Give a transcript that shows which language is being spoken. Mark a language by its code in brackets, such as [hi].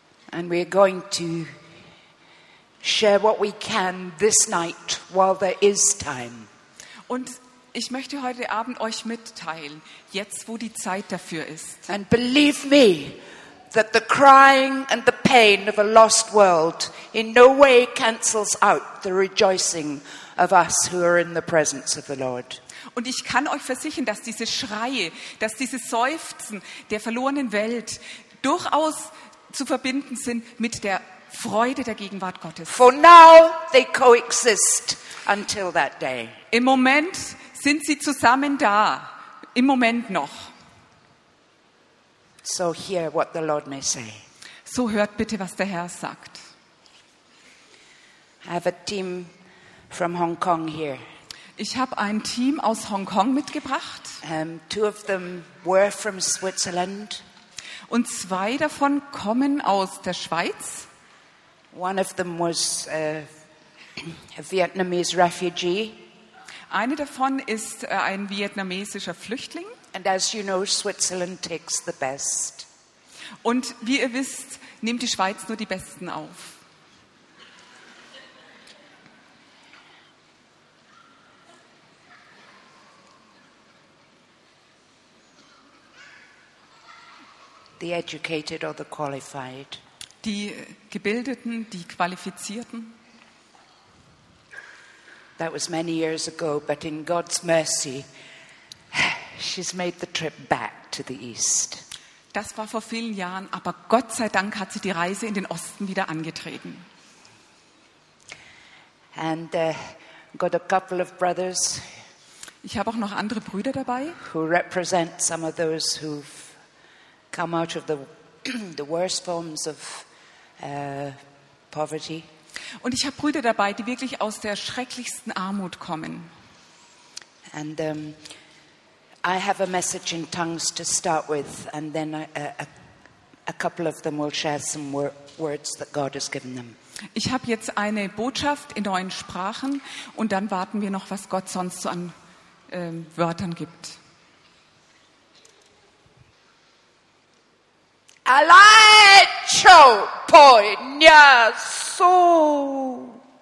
[en] And we're going to share what we can this night while there is time. [de] Und ich möchte heute Abend euch mitteilen, jetzt wo die Zeit dafür ist. [en] And believe me, that the crying and the pain of a lost world in no way cancels out the rejoicing of us who are in the presence of the Lord. [de] Und ich kann euch versichern, dass diese Schreie, dass diese Seufzen der verlorenen Welt durchaus zu verbinden sind mit der Freude der Gegenwart Gottes. [en] For now they coexist until that day. [de] Im Moment sind sie zusammen da, im Moment noch. [en] So hear what the Lord may say. [de] So hört bitte, was der Herr sagt. [en] I have a team from Hong Kong here. [de] Ich habe ein Team aus Hongkong mitgebracht. [en] Two of them were from Switzerland. [de] Und zwei davon kommen aus der Schweiz. [en] One of them was a Vietnamese refugee. [de] Eine davon ist ein vietnamesischer Flüchtling. [en] And as you know, Switzerland takes the best. [de] Und wie ihr wisst, nimmt die Schweiz nur die Besten auf. [en] The educated or the qualified. [de] Die Gebildeten, die Qualifizierten. [en] That was many years ago, but in God's mercy, she's made the trip back to the east. [de] Das war vor vielen Jahren, aber Gott sei Dank hat sie die Reise in den Osten wieder angetreten. [en] And got a couple of brothers. [de] Ich habe auch noch andere Brüder dabei. [en] Who represent some of those who've come out of the worst forms of poverty. [de] Und ich habe Brüder dabei, die wirklich aus der schrecklichsten Armut kommen. [en] And I have a message in tongues to start with, and then a couple of them will share some words that God has given them. [de] Ich habe jetzt eine Botschaft in neuen Sprachen, und dann warten wir noch, was Gott sonst so an Wörtern gibt. Alecho poignaso.